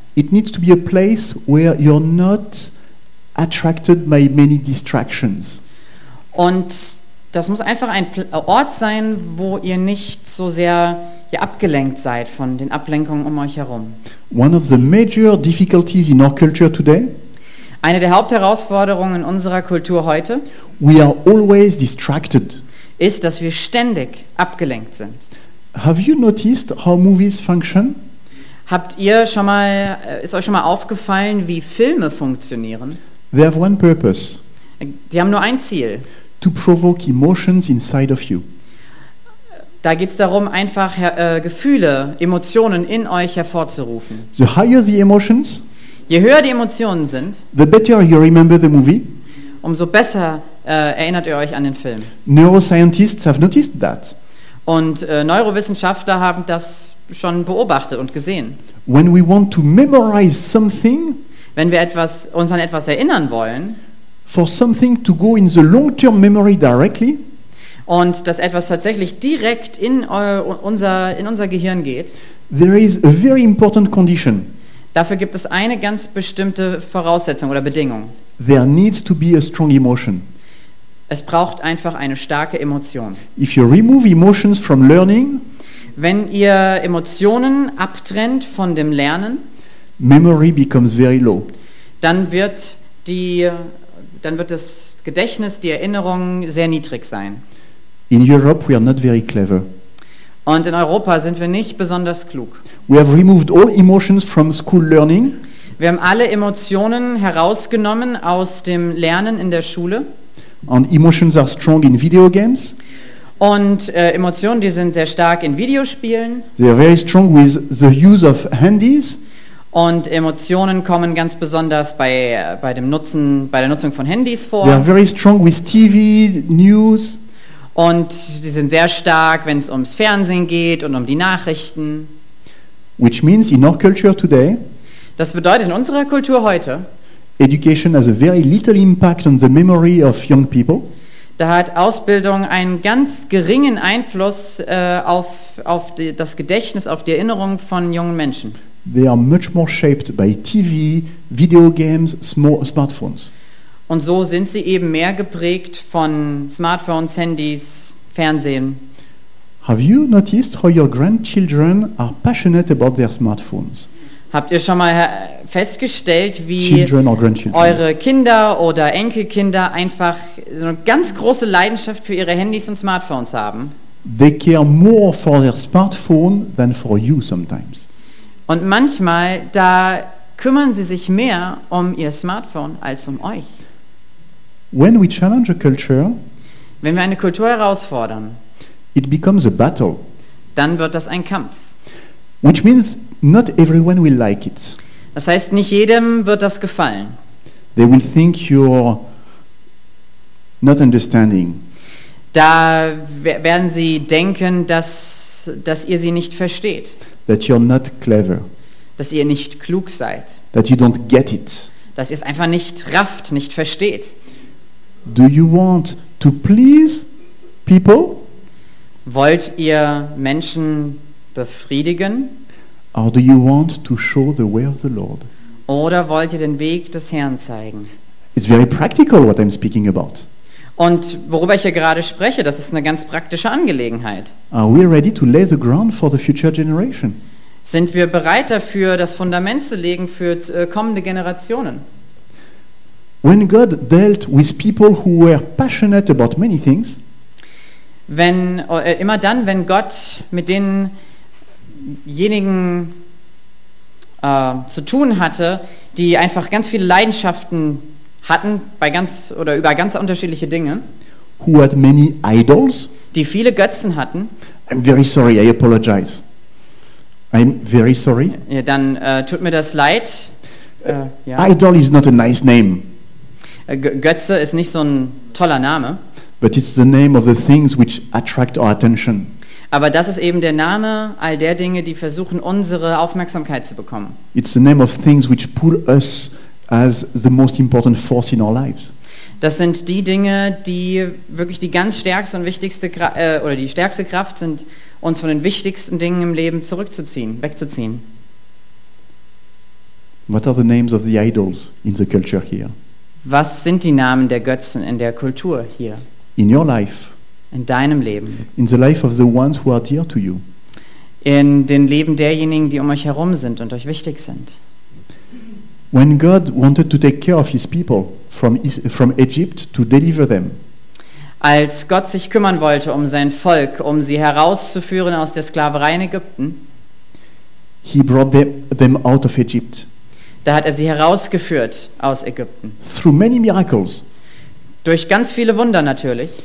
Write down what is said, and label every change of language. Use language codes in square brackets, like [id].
[en] It needs to be a place where you're not attracted by many distractions. [de] Und das muss einfach ein Ort sein, wo ihr nicht so sehr ja, abgelenkt seid von den Ablenkungen um euch herum. [en] One of the major difficulties in our culture today. [de] Eine der Hauptherausforderungen in unserer Kultur heute, [en] we are always distracted, [de] ist, dass wir ständig abgelenkt sind. [en] Have you noticed how movies function? [de] Habt ihr schon mal, ist euch schon mal aufgefallen, wie Filme funktionieren? [en] They have one purpose. [de] Die haben nur ein Ziel. [en] To provoke emotions inside of you. [de] Da geht es darum, einfach Gefühle, Emotionen in euch hervorzurufen. [en] The higher the emotions, [de] je höher die Emotionen sind, [en] the better you remember the movie. [de] Umso besser erinnert ihr euch an den Film. [en] Neuroscientists have noticed that. [de] Und Neurowissenschaftler haben das schon beobachtet und gesehen. [en] When we want to memorize something, [de] wenn wir etwas, uns an etwas erinnern wollen, [en] for something to go in the long-term memory directly, [de] und dass etwas tatsächlich direkt in unser Gehirn geht, [en] there is a very important condition. [de] Dafür gibt es eine ganz bestimmte Voraussetzung oder Bedingung. [en] There needs to be a strong emotion. [de] Es braucht einfach eine starke Emotion. [en] If you remove emotions from learning, [de] wenn ihr Emotionen abtrennt von dem Lernen, [en] memory becomes very low. [de] Dann wird das Gedächtnis, die Erinnerung sehr niedrig sein. [en] In Europe we are not very clever. [de] Und in Europa sind wir nicht besonders klug. [en] We have removed all emotions from school learning. [de] Wir haben alle Emotionen herausgenommen aus dem Lernen in der Schule. [en] And emotions are strong in video games. [de] Und Emotionen, die sind sehr stark in Videospielen. [en] They are very strong with the use of handies. [de] Und Emotionen kommen ganz besonders bei der Nutzung von Handys vor. [en] They are very strong with TV news. [de] Und die sind sehr stark, wenn es ums Fernsehen geht und um die Nachrichten. [en] Which means in our culture today, [de] das bedeutet in unserer Kultur heute, [en] education has a very little impact on the memory of young people. [de] Da hat Ausbildung einen ganz geringen Einfluss auf das Gedächtnis, auf die Erinnerung von jungen Menschen. [en] They are much more shaped by TV, video games, smartphones. [de] Und so sind sie eben mehr geprägt von Smartphones, Handys, Fernsehen. [en] Have you noticed how your grandchildren are passionate about their smartphones? [de] Habt ihr schon mal festgestellt, wie [en] children or grandchildren, [de] eure Kinder oder Enkelkinder einfach so eine ganz große Leidenschaft für ihre Handys und Smartphones haben? [en] They care more for their smartphone than for you sometimes. [de] Und manchmal, da kümmern sie sich mehr um ihr Smartphone als um euch. [en] When we challenge a culture, [de] wenn wir eine Kultur herausfordern, [en] it becomes a battle. [de] Dann wird das ein Kampf. [en] Which means not everyone will like it. [de] Das heißt, nicht jedem wird das gefallen. [en] They will think you're not understanding. [de] Da werden sie denken, dass ihr sie nicht versteht. [en] That you're not clever. [de] Dass ihr nicht klug seid. [en] That you don't get it. [de] Dass ihr es einfach nicht rafft, nicht versteht. [en] Do you want to please people? [de] Wollt ihr Menschen befriedigen? [en] Or do you want to show the way of the Lord? [de] Oder wollt ihr den Weg des Herrn zeigen? [en] It's very practical what I'm speaking about. [de] Und worüber ich hier gerade spreche, das ist eine ganz praktische Angelegenheit. [en] Are we ready to lay the ground for the future generation? [de] Sind wir bereit dafür, das Fundament zu legen für kommende Generationen? [en] When God dealt with people who were passionate about many things, [de] wenn Gott mit denjenigen zu tun hatte, die einfach ganz viele Leidenschaften hatten bei ganz oder über ganz unterschiedliche Dinge, [en] who had many idols, [de] die viele Götzen hatten. [en] I'm very sorry, I apologize. I'm very sorry. [de] Ja, dann tut mir das leid. [en] Ja. Idol is not a nice name. [de] Götze ist nicht so ein toller Name. [en] But it's the name of the things which attract our attention. [de] Aber das ist eben der Name all der Dinge, die versuchen, unsere Aufmerksamkeit zu bekommen. [en] It's the name of things which pull us as the most important force in our lives. [de] Das sind die Dinge, die wirklich die ganz stärkste und wichtigste oder die stärkste Kraft sind, uns von den wichtigsten Dingen im Leben zurückzuziehen, wegzuziehen. [en] What are the names of the idols in the culture here? [de] Was sind die Namen der Götzen in der Kultur hier? [en] In your life. [de] In deinem Leben. [en] In the life of the ones who are dear to you. [de] In den Leben derjenigen, die um euch herum sind und euch wichtig sind. [en] When God wanted to take care of his people from Egypt to deliver them. [de] Als Gott sich kümmern wollte um sein Volk, um sie herauszuführen aus der Sklaverei in Ägypten. [en] He brought them out of Egypt. [de] Da hat er sie herausgeführt aus Ägypten. [en] Through many miracles. [de] Durch ganz viele Wunder natürlich.